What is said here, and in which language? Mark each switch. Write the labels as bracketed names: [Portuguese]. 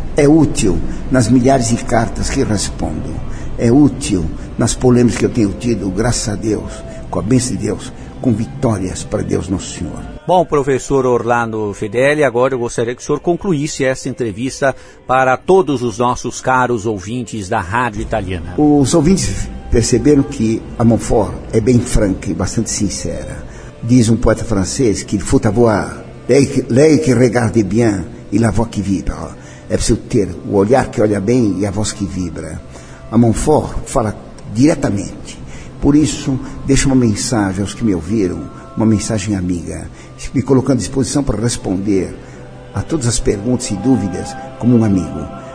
[Portuguese] É útil nas milhares de cartas que respondo. É útil nas polêmicas que eu tenho tido, graças a Deus, com a bênção de Deus, com vitórias para Deus nosso Senhor. Bom, professor Orlando Fedeli, agora eu gostaria que o senhor concluísse essa entrevista para todos os nossos caros ouvintes da Rádio Italiana. Os ouvintes perceberam que a Montfort é bem franca e bastante sincera. Diz um poeta francês que [French] il faut avoir l'œil qui regarde bien et la voix qui vibre. [Portuguese] É preciso ter o olhar que olha bem e a voz que vibra. A Montfort fala diretamente. Por isso, deixo uma mensagem aos que me ouviram, uma mensagem amiga, me colocando à disposição para responder a todas as perguntas e dúvidas como um amigo.